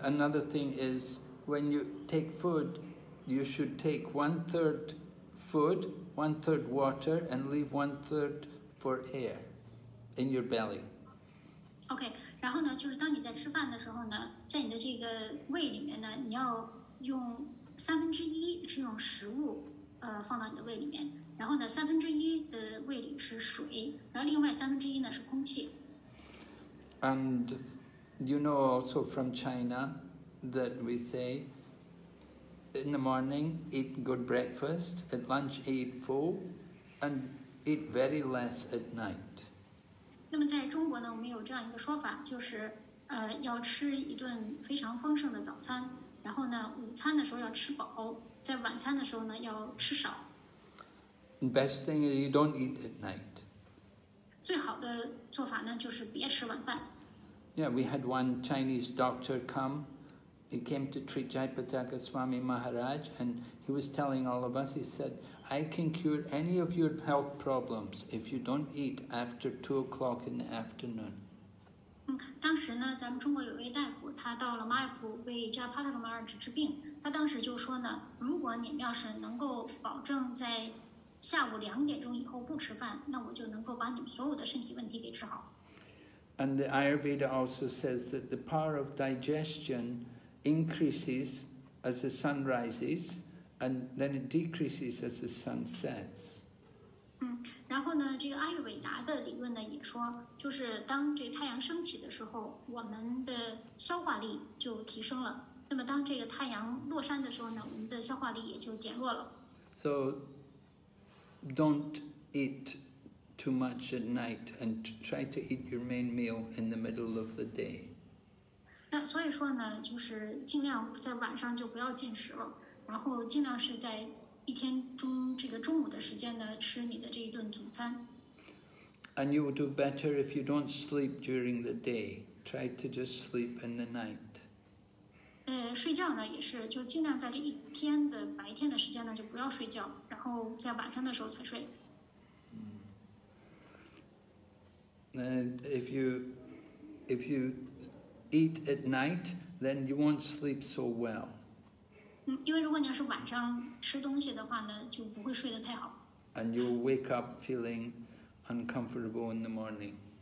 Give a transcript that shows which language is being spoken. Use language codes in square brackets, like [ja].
[en] another thing is, when you take food, you should take one third food, one third water, and leave one third for air in your belly. [zh] Okay, 然后呢，就是当你在吃饭的时候呢，在你的这个胃里面呢，你要用三分之一是用食物，放到你的胃里面，然后呢，三分之一的胃里是水，然后另外三分之一呢是空气。 [en] And you know also from China that we say in the morning eat good breakfast, at lunch eat full, and eat very less at night. [zh] 那么在中国呢，我们有这样一个说法，就是要吃一顿非常丰盛的早餐，然后呢，午餐的时候要吃饱，在晚餐的时候呢要吃少。 [en] Best thing is you don't eat at night. [zh] 最好的做法呢，就是别吃晚饭。 [en] Yeah, we had one Chinese doctor come. He came to treat Jaipataka Swami Maharaj, and he was telling all of us, he said, I can cure any of your health problems if you don't eat after 2 o'clock in the afternoon. [zh] 当时呢，咱们中国有一位大夫，他到了马尔福为 Jaipataka Maharaj 治病。他当时就说呢，如果你们要是能够保证在下午2点钟以后不吃饭，那我就能够把你们所有的身体问题给治好。 [en] And the Ayurveda also says that the power of digestion increases as the sun rises, and then it decreases as the sun sets. [zh] 然后呢，这个阿育吠达的理论呢也说，就是当这太阳升起的时候，我们的消化力就提升了。那么当这个太阳落山的时候呢，我们的消化力也就减弱了。 [en] So, don't eat. Too much at night, and try to eat your main meal in the middle of the day. [zh] 那所以说呢，就是尽量在晚上就不要进食了，然后尽量是在一天中这个中午的时间呢吃你的这一顿午餐。 [en] And you will do better if you don't sleep during the day. Try to just sleep in the night. [zh] 睡觉呢也是，就尽量在这一天的白天的时间呢就不要睡觉，然后在晚上的时候才睡。 [en] And if you eat at night, then you won't sleep so well. [zh] 因为如果你要是晚上吃东西的话呢，就不会睡得太好。 [en] And you'll wake up feeling uncomfortable in the morning.